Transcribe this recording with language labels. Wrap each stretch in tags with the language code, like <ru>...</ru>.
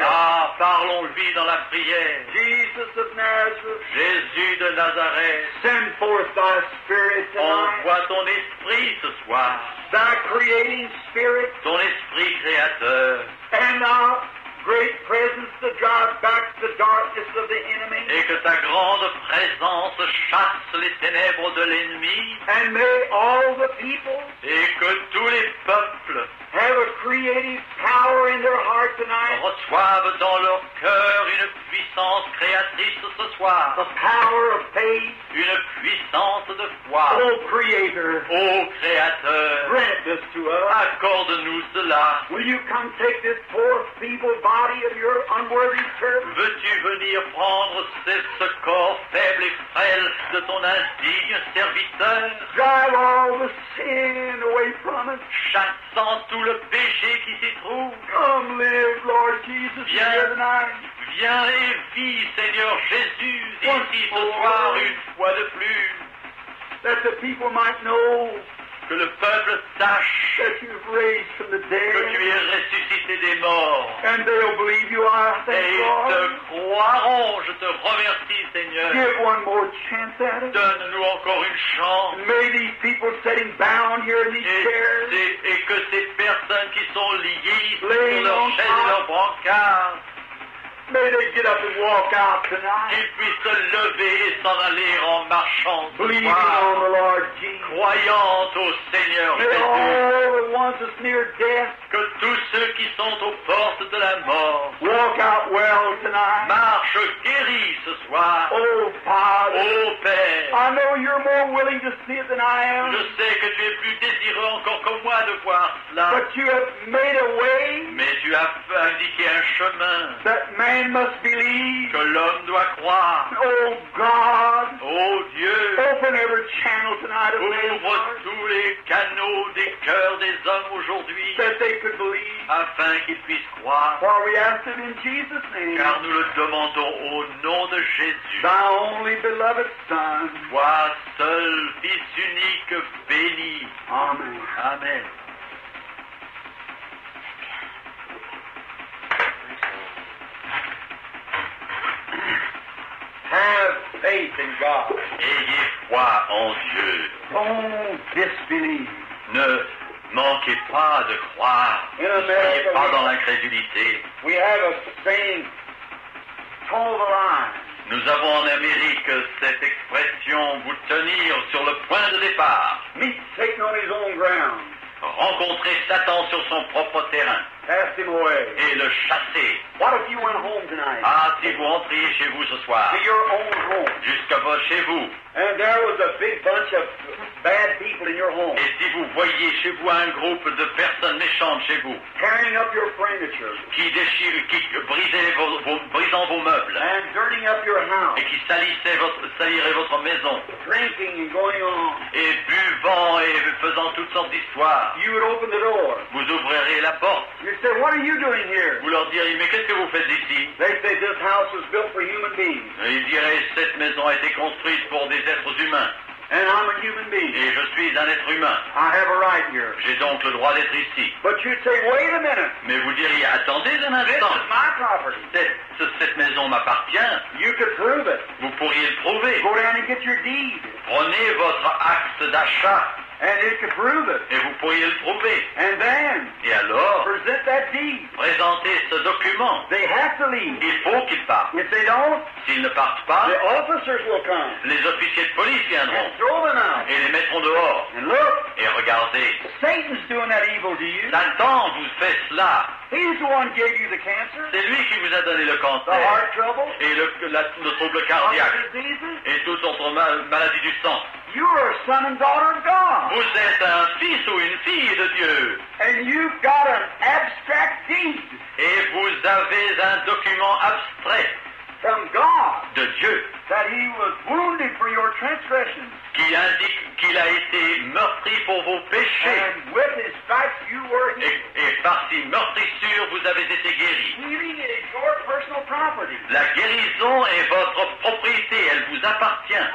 <fr>Ah, parlons-lui dans la prière.</fr> <en>Jesus of Nazareth.</en> <fr>Jésus de Nazareth.</fr> <en>Send forth thy spirit tonight.</en> <fr>Envoie ton esprit ce soir.</fr> <en>Thy creating spirit.</en> <fr>Ton esprit créateur.</fr> <en>And thou great presence to drive back the darkness of the enemy.</en> <fr>Et que ta grande présence chasse les ténèbres de l'ennemi.</fr> <en>And may all the people.</en> <fr>Et que tous les peuples.</fr> <en>Have a creative power in their heart tonight.</en> <fr>Reçoivent dans leur cœur une puissance créatrice ce soir.</fr> <en>The power of faith.</en> <fr>Une puissance de foi.</fr> <en>O Creator.</en> <fr>Ô Créateur.</fr> <en>Grant this to us.</en> <fr>Accorde-nous cela.</fr> <en>Will you come take this poor feeble body of your unworthy servant?</en> <fr>Veux-tu venir prendre ce corps faible et frêle de ton indigne serviteur?</fr> <en>Drive all the sin away from us.</en> <fr>Chassant tout le péché qui s'y trouve.</fr> <en>Come live, Lord Jesus, here tonight.</en> <fr>Viens et vis, Seigneur Jésus, ici ce soir une fois de plus.</fr> <en>That the people might know.</en> <fr>Que le peuple sache</fr> <en>that you've raised from the dead,</en> <fr>que tu es ressuscité des morts.</fr> <en>And they'll believe you are, thank</en> <fr>et</fr> <en>God.</en> <fr>Te croiront, je te remercie, Seigneur.</fr> <en>Give one more chance at it.</en> <fr>Donne-nous encore une chance.</fr> <en>May these people sitting bound here in these chairs.</en> <fr>Et que ces personnes qui sont liées sur leurs chaises et leurs brancards.</fr> <en>May they get up and walk out tonight.</en> <fr>Ils puissent se lever et s'en aller en marchant.</fr> <en>Believing on the Lord Jesus.</en> <fr>Croyant au Seigneur Jésus.</fr> <en>May all the ones that's near death.</en> <fr>Que tous ceux qui sont aux portes de la mort.</fr> <en>Walk out well tonight.</en> <fr>Marche guéri ce soir.</fr> <en>Oh Father.</en> <fr>Oh Père.</fr> <en>I know you're more willing to see it than I am.</en> <fr>Je sais que tu es plus désireux encore que moi de voir cela.</fr> <en>But you have made a way.</en> <fr>Mais tu as indiqué un chemin.</fr> <en>That man must believe.</en> <fr>Que l'homme doit croire.</fr> <en>Oh God.</en> <fr>Oh Dieu.</fr> <en>Open every channel tonight of man's heart.</en> <fr>Ouvre tous les canaux des cœurs des hommes aujourd'hui.</fr> <en>That they could believe.</en> <fr>Afin qu'ils puissent croire.</fr> <en>For we ask it in Jesus' name.</en> <fr>Car nous le demandons au nom de Jésus.</fr> <en>Thy only beloved Son.</en> <fr>Toi seul, Fils unique, béni.</fr> <en>Amen.</en> <fr>Amen.</fr> <en>Thank you. Have faith in God.</en> <fr>Ayez foi en Dieu.</fr> <en>Don't disbelieve.</en> <fr>Ne manquez pas de croire.</fr> <en>In America,</en> <fr>soyez pas dans l'incrédulité.</fr> <en>We have a saying, toe the line.</en> <fr>Nous avons en Amérique cette expression, vous tenir sur le point de départ.</fr> <en>Meet Satan on his own ground.</en> <fr>Rencontrer Satan sur son propre terrain.</fr> <en>Cast him away.</en> <fr>Et le chasser.</fr> <en>What if you went home tonight?</en> <fr>Ah, si vous rentriez chez vous ce soir.</fr> <en>To your own home.</en> <fr>Jusqu'à chez vous.</fr> <en>And there was a big bunch of bad people in your home.</en> <fr>Et si vous voyez chez vous un groupe de personnes méchantes chez vous.</fr> <en>Tearing up your furniture.</en> <fr>Qui déchire, qui brisait brisant vos meubles.</fr> <en>And dirtying up your house.</en> <fr>Et qui salirait votre maison.</fr> <en>Drinking and going on.</en> <fr>Et buvant et faisant toutes sortes d'histoires.</fr> <en>You would open the door.</en> <fr>Vous ouvririez la porte.</fr> <en>You say, what are you doing here?</en> <fr>Vous leur diriez, mais qu'est-ce que vous faites ici?</fr> <en>They say, this house was built for human beings.</en> <fr>Ils diraient, cette maison a été construite pour des êtres humains.</fr> <en>And I'm a human being.</en> <fr>Et je suis un être humain.</fr> <en>I have a right here.</en> <fr>J'ai donc le droit d'être ici.</fr> <en>But you'd say, wait a minute.</en> <fr>Mais vous diriez, attendez un instant.</fr> <en>This is my property.</en> <fr>Cette maison m'appartient.</fr> <en>You could prove it.</en> <fr>Vous pourriez le prouver.</fr> <en>Go down and get your deed.</en> <fr>Prenez votre acte d'achat.</fr> <en>And it could prove it.</en> <fr>Et vous pourriez le prouver.</fr> <en>And then,</en> <fr>et alors,</fr> <en>present that deed.</en> <fr>Présentez ce document.</fr> <en>They have to leave.</en> <fr>Il faut qu'ils partent.</fr> <en>If they don't,</en> <fr>s'ils ne partent pas,</fr> <en>the officers will come.</en> <fr>Les officiers de police viendront.</fr> <en>And throw them out.</en> <fr>Et les mettront dehors.</fr> <en>And look,</en> <fr>et regardez.</fr> <en>Satan's doing that evil to you.</en> <fr>Satan vous fait cela.</fr> <en>He's the one gave you the cancer.</en> <fr>C'est lui qui vous a donné le cancer.</fr> <en>The heart trouble.</en> <fr>Et le trouble cardiaque. Et toutes autres maladies du sang.</fr> <en>You are a son and daughter of God.</en> <fr>Vous êtes un fils ou une fille de Dieu.</fr> <en>And you've got an abstract deed.</en> <fr>Et vous avez un document abstrait.</fr> <en>From God.</en> <fr>De Dieu.</fr> <en>That he was wounded for your transgressions.</en> <fr>Qui indique qu'il a été meurtri pour vos péchés.</fr> <en>And with his stripes you were healed.</en> <fr>Et par ses meurtrissures, vous avez été guéri.</fr> <en>Healing is your personal property.</en> <fr>La guérison est votre propriété, elle vous appartient.</fr>